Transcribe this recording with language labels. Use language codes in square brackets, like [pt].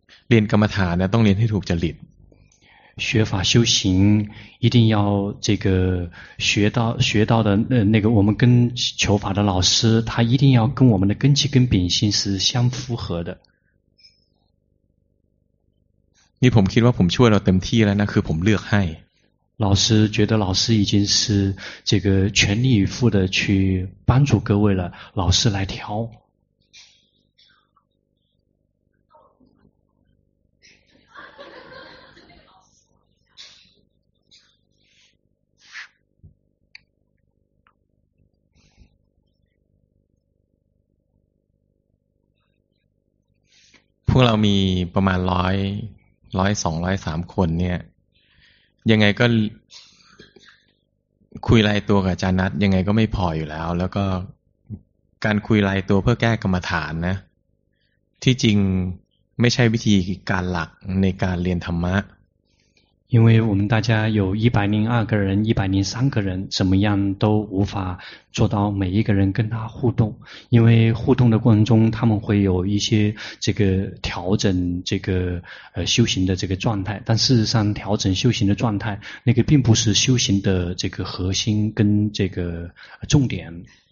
[th] เรียนกรรมฐานนะต้องเรียนให้ถูกจริต [zh] 学法修行一定要这个学到的那个我们跟求法的老师他一定要跟我们的根基跟秉性是相符合的 [th] นี่ผมคิดว่าผมช่วยเราเต็มที่แล้วนะคือผมเลือกให้ [zh] 老师觉得老师已经是这个全力以赴的去帮助各位了老师来挑 [th] พวกเรามีประมาณ100-203 คนเนี่ยยังไงก็คุยรายตัวกับอาจารย์นัทยังไงก็ไม่พออยู่แล้วแล้วก็การคุยรายตัวเพื่อแก้กรรมฐานนะที่จริงไม่ใช่วิธีการหลักในการเรียนธรรมะ [zh] 因为我们大家有102个人103个人怎么样都无法做到每一个人跟他互动因为互动的过程中他们会有一些这个调整这个修行的这个状态但事实上调整修行的状态那个并不是修行的这个核心跟这个重点